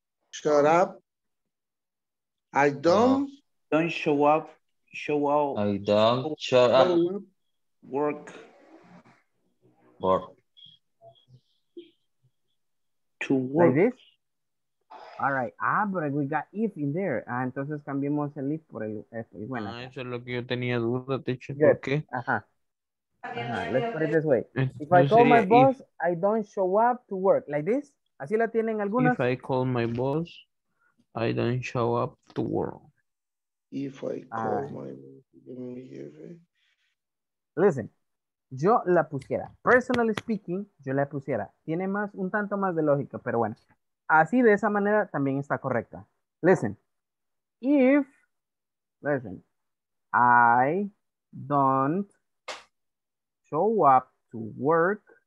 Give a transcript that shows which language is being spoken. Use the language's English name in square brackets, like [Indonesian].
[English] Shut up. I don't. Don't show up. Show up. I don't show up. Work. Work. To work. Like this? All right, ah, but we got if in there. [Spanish] Ah, entonces cambiamos el if por el F. Bueno. Ah, eso es lo que yo tenía duda, teacher. ¿Por qué? Ajá. [English] Let's put it this way. If I call my boss, I don't show up to work. Like this? [Spanish] ¿Así la tienen algunas? [English] If I call my boss, I don't show up to work. If I call my boss, listen. [Spanish] Yo la pusiera. [English] Personally speaking, [Spanish] yo la pusiera. Tiene más, un tanto más de lógica, pero bueno. Así, de esa manera, también está correcta. [English] Listen. If, listen, I don't show up to work,